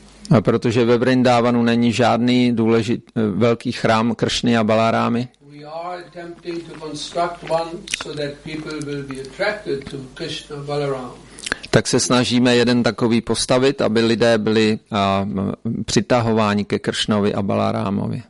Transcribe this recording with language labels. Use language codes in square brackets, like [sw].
[cs] A protože ve Vrindavanu není žádný důležitý velký chrám Kršny a Balarámy. [en] We are attempting to construct one so that people will be attracted to Krishna Balaram. [cs] Tak se snažíme jeden takový postavit, aby lidé byli přitahováni ke Kršnovi a Balarámovi.